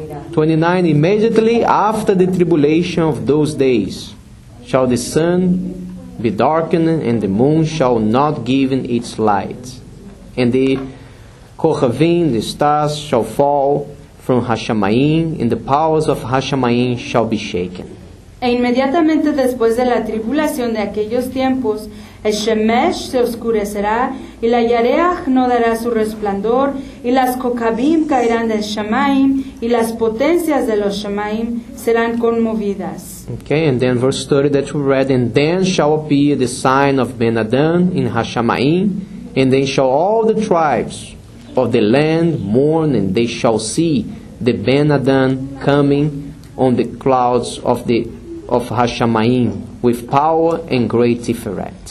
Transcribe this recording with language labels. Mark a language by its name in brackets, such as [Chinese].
[English] 29, immediately after the tribulation of those days shall the sun be darkened and the moon shall not give its light. And the kohavim, the stars, shall fall from Hashamayim, and the powers of Hashamayim shall be shaken. [Spanish] E inmediatamente después de la tribulación de aquellos tiempos, el Shemesh se oscurecerá, y la Yareach no dará su resplandor, y las Kokabim caerán del Shamayim, y las potencias de los Shamayim serán conmovidas. [English] Okay, and then verse 30 that we read, and then shall appear the sign of Ben-Adan in Hashamayim, and then shall all the tribes of the land mourn, and they shall see the Ben-Adam coming on the clouds of the of Hashamayim with power and great Tiferet.